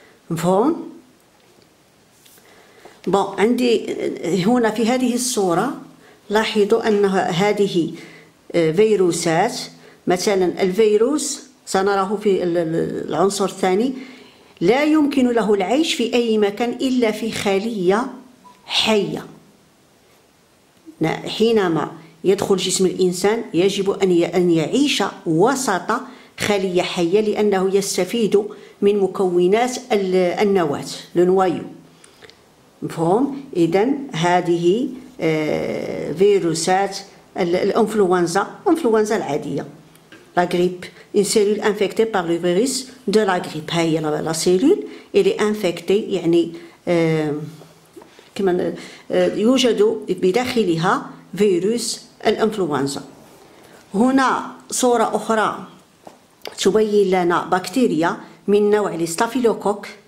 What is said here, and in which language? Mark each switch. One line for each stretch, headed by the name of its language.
Arabic: مفهوم؟ بون، عندي هنا في هذه الصورة لاحظوا أن هذه فيروسات، مثلا الفيروس سنراه في العنصر الثاني، لا يمكن له العيش في أي مكان إلا في خلية حية. حينما يدخل جسم الإنسان يجب أن يعيش وسط خلية حية، لأنه يستفيد من مكونات النواة النوايو. مفهوم؟ إذن هذه فيروسات الأنفلونزا، الأنفلونزا العادية،
French: la grippe, une cellule infectée par le virus de la grippe.
Arabic: هاي
French: la cellule elle est infectée،
Arabic: يعني كمان يوجد بداخلها فيروس الانفلونزا. هنا صورة أخرى تبين لنا بكتيريا من نوع الستافيلوكوك.